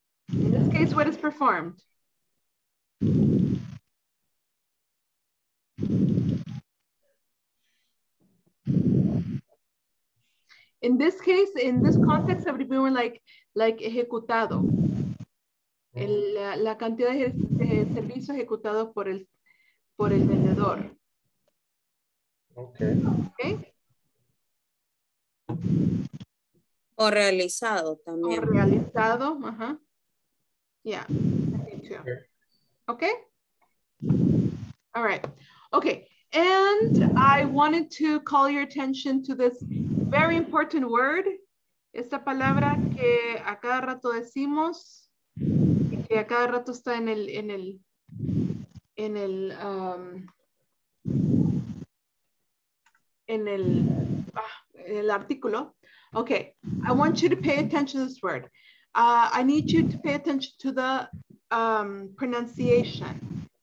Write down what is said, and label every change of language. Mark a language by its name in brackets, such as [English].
[English] In this case, what is performed? In this case, in this context, it would be more like ejecutado. [Spanish] La cantidad de servicio ejecutado por el vendedor. [English] Okay. Okay. [Spanish] O realizado también. O realizado, ajá. [English] Yeah. Okay. Okay. All right. Okay. And I wanted to call your attention to this very important word. [Spanish] Esta palabra que a cada rato decimos. Que a cada rato está en el artículo. [English] Okay, I want you to pay attention to this word. I need you to pay attention to the pronunciation.